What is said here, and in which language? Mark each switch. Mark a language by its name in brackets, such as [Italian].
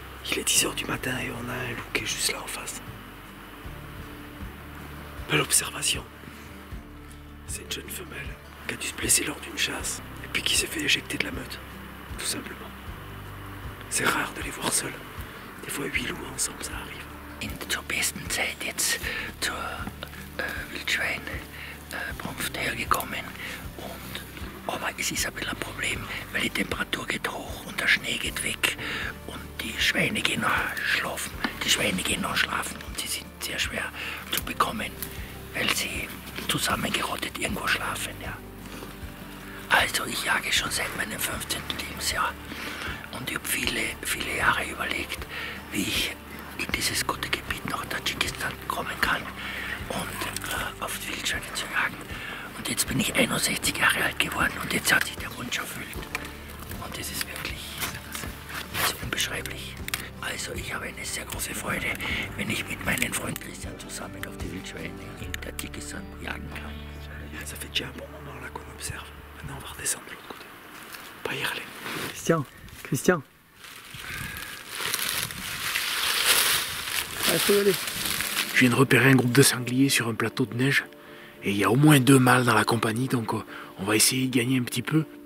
[French] Il est 10h du matin et on a un loup qui est juste là en face. Belle observation. C'est une jeune femelle qui a dû se blesser lors d'une chasse et puis qui s'est fait éjecter de la meute, tout simplement. C'est rare de les voir seuls. Des fois, 8 loups ensemble, ça arrive. [German] In the top business, it's to train prompt hergekommen und aber es ist ein bisschen ein Problem, weil die Temperatur geht hoch und der Schnee geht weg. Die Schweine gehen noch schlafen. Die Schweine gehen noch schlafen und sie sind sehr schwer zu bekommen, weil sie zusammengerottet irgendwo schlafen. Ja. Also ich jage schon seit meinem 15. Lebensjahr und ich habe viele, viele Jahre überlegt, wie ich in dieses gute Gebiet nach Tadschikistan kommen kann und auf Wildschweine zu jagen. Und jetzt bin ich 61 Jahre alt geworden und jetzt hat sich der Wunsch erfüllt. Und es ist wirklich unbeschreiblich. Also ich habe eine sehr große Freude, wenn ich mit meinen Freunden Christian zusammen auf die Wildschweine in der Tadschikistan jagen kann. [French] Ja, ça fait déjà un bon moment là qu'on observe. Maintenant on va redescendre de l'autre côté. Pas y aller. Christian, Christian. Allez, faut y aller. Je viens de repérer un groupe de sangliers sur un plateau de neige et il y a au moins 2 mâles dans la compagnie, donc on va essayer de gagner un petit peu.